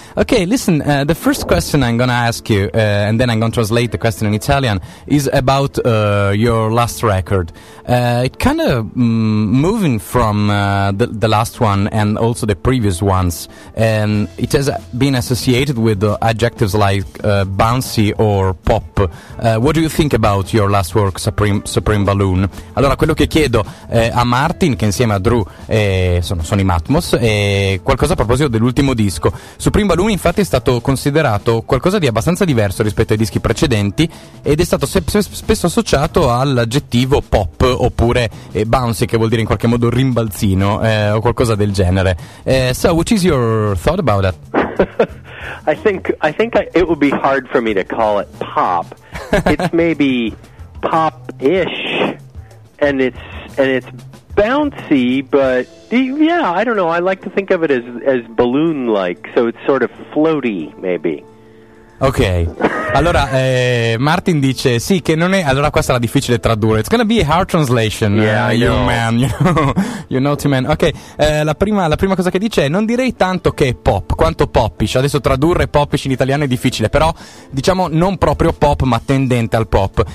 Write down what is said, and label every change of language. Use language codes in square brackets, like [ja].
[en] Okay, listen, the first question I'm going to ask you, and then I'm going to translate the question in Italian, is about your last record. It kind of moving from the last one and also the previous ones, and it has been associated with adjectives like bouncy or pop. What do you think about your last work, Supreme Balloon? [it] Allora, quello che chiedo a Martin, che insieme a Drew sono i Matmos, e qualcosa a proposito dell'ultimo disco. Supreme Balloon infatti è stato considerato qualcosa di abbastanza diverso rispetto ai dischi precedenti ed è stato spesso associato all'aggettivo pop oppure bouncy, che vuol dire in qualche modo rimbalzino o qualcosa del genere. [en] So which is your thought about that? I think it would be hard for me to call it pop. It's maybe pop-ish and it's bouncy, but yeah, I don't know. I like to think of it as balloon-like, so it's sort of floaty, maybe. [it] Ok, allora Martin dice sì, che non è, allora qua sarà difficile tradurre. [en] It's gonna be a hard translation. Yeah, you know, man. [it] Ok, la prima cosa che dice è: non direi tanto che è pop, quanto popish. Adesso tradurre popish in italiano è difficile, però diciamo non proprio pop, ma tendente al pop.